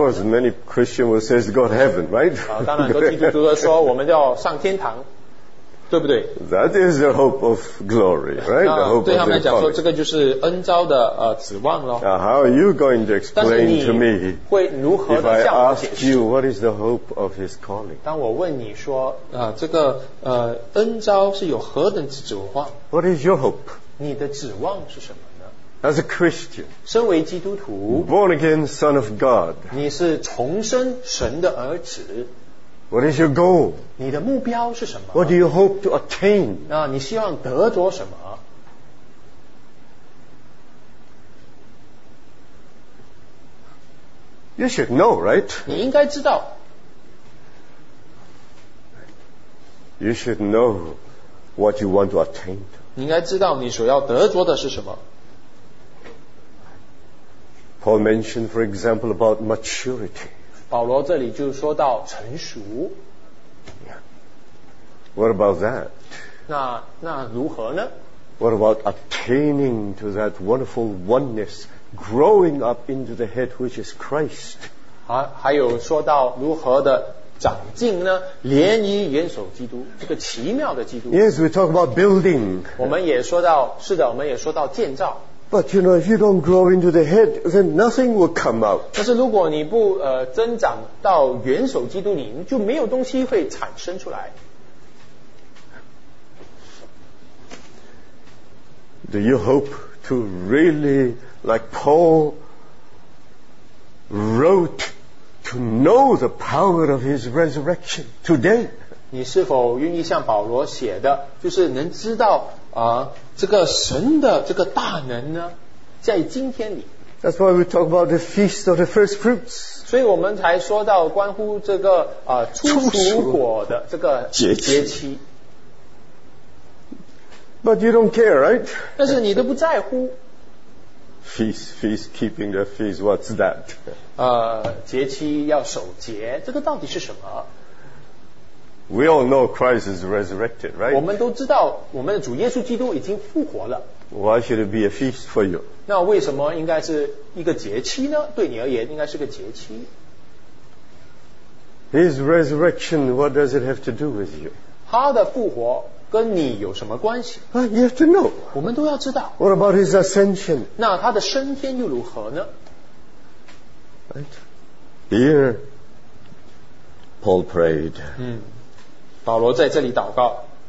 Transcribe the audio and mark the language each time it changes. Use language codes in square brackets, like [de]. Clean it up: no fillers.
[en] Of course, many Christians will say, go to heaven, right? [zh] 当然，很多基督徒都说我们要上天堂。对不对？ [en] That is the hope of glory, right? The hope [zh] 对他们来讲说，这个就是恩召的指望咯。 [en] How are you going to explain to me? [zh] 会如何的向我解释？ [en] If I ask you, what is the hope of his calling? [zh] 当我问你说，这个恩召是有何等指望？ [en] What is your hope? [zh] 你的指望是什么呢？ [en] As a Christian, [zh] 身为基督徒， [en] born again, son of God, [zh] 你是重生神的儿子。 [en] What is your goal? [zh] 你的目标是什么？ [en] What do you hope to attain? [zh] 那你希望得着什么？ [en] You should know, right? [zh] 你应该知道。 [en] You should know what you want to attain. [zh] 你应该知道你所要得着的是什么。 [en] Paul mentioned, for example, about maturity. [zh] 保罗这里就说到成熟。 [en] What about that? [zh] 那如何呢？ [en] What about attaining to that wonderful oneness, growing up into the head which is Christ? [zh] 还有说到如何的长进呢？联谊元首基督，这个奇妙的基督。 [en] Yes, we talk about building. [zh] 我们也说到，是的，我们也说到建造。 [en] But you know, if you don't grow into the head, then nothing will come out. [zh] 但是如果你不增长到元首基督里，就没有东西会产生出来。 [en] Do you hope to really, like Paul wrote, to know the power of his resurrection today? [zh] 你是否愿意像保罗写的，就是能知道这个神的这个大能呢，在今天里。 [en] That's why we talk about the feast of the first fruits. [zh] 所以我们才说到关乎这个初熟果的这个节期。 [en] But you don't care, right? [zh] 但是你都不在乎。 [en] Feast, keeping the feast, what's that? [zh] 节期要守节，这个到底是什么？ [en] We all know Christ is resurrected, right? [zh] 我们都知道我们的主耶稣基督已经复活了。 [en] Why should it be a feast for you? [zh] 那为什么应该是一个节期呢？对你而言应该是个节期。 [en] His resurrection, what does it have to do with you? [zh] 他的复活跟你有什么关系？ [en] You have to know. [zh] 我们都要知道。 [en] What about his ascension? [zh] 那他的升天又如何呢？ [en] Right? Here, Paul prayed. [zh] 保罗在这里祷告。